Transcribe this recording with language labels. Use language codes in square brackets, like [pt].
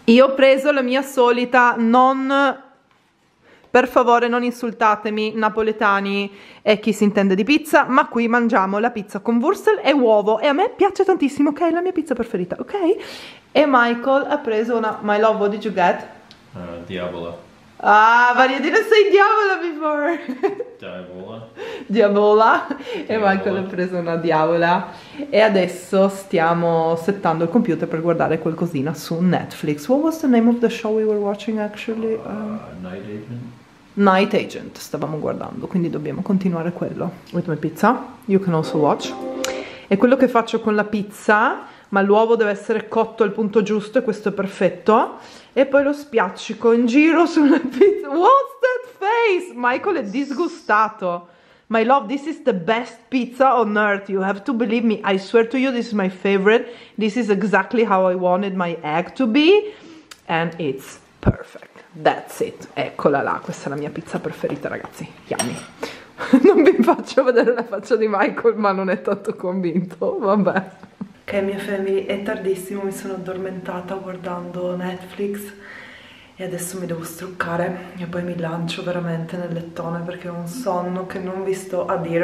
[it] Io ho preso la mia solita, non, per favore non insultatemi napoletani e chi si intende di pizza, ma qui mangiamo la pizza con wurstel e uovo, e a me piace tantissimo, ok, è la mia pizza preferita, ok. E Michael ha preso una, [en] my love, what did you get? [it] Diavola. [en] But you didn't say diavola before. [it] Diavola. Diavola. E Michael ha preso una diavola. E adesso stiamo settando il computer per guardare qualcosina su Netflix. [en] What was the name of the show we were watching actually? Night Agent. [it] Night Agent stavamo guardando, quindi dobbiamo continuare quello. [en] With my pizza, you can also watch. [it] E quello che faccio con la pizza, ma l'uovo deve essere cotto al punto giusto e questo è perfetto. E poi lo spiaccico in giro sulla pizza. [en] What's that face? Michael [it] è disgustato. [en] My love, this is the best pizza on earth. You have to believe me. I swear to you, this is my favorite. This is exactly how I wanted my egg to be. And it's perfect. That's it, [it] eccola là, questa è la mia pizza preferita, ragazzi. Yummy. Non vi faccio vedere la faccia di Michael, ma non è tanto convinto, vabbè. Ok, mia family, è tardissimo, mi sono addormentata guardando Netflix e adesso mi devo struccare e poi mi lancio veramente nel lettone perché ho un sonno che non vi sto a dire.